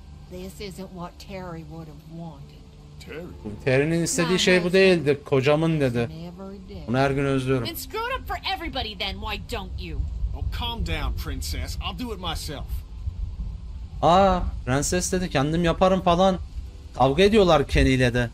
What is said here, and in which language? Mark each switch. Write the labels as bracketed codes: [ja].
[en] This isn't what Terry would have wanted. [tr] Terry'nin istediği şey bu değildi, kocamın dedi. Onu her gün özlüyorum. [en] Then screw it up for everybody then, why don't you? Oh, calm down, princess. I'll do it myself. [tr] Aa, prenses dedi kendim yaparım falan. Kavga ediyorlar Kenny ile de.